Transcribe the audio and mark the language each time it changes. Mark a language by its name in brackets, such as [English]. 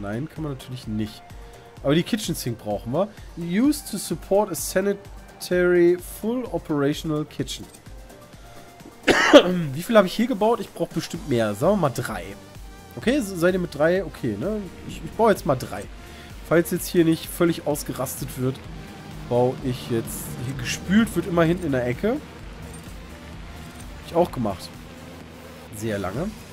[German] Nein, kann man natürlich nicht. Aber die Kitchen Sink brauchen wir. [English] Used to support a sanitary full operational kitchen. [German] Wie viel habe ich hier gebaut? Ich brauche bestimmt mehr. Sagen wir mal 3. Okay, seid ihr mit 3? Okay, ne? Ich baue jetzt mal 3. Falls jetzt hier nicht völlig ausgerastet wird, baue ich jetzt... Hier gespült wird immer hinten in der Ecke. Hab ich auch gemacht. Sehr lange.